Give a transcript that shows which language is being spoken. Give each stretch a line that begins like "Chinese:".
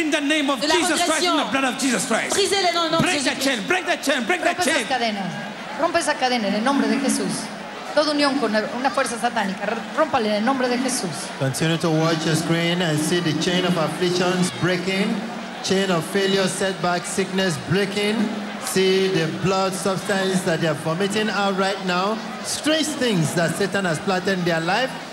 English: In the name of Jesus Christ, in the blood of Jesus Christ.
French: Brisez-les dans le nom de Jésus.
English: Break that chain. Break that chain. Break that chain.
Spanish: Rompe esa cadena en el nombre de Jesús. Toda unión con una fuerza satánica, rómpale en el nombre de Jesús.
English: Continue to watch your screen and see the chain of afflictions breaking, chain of failure, setback, sickness breaking. See the blood substance that they are vomiting out right now. Strange things that Satan has planted in their life.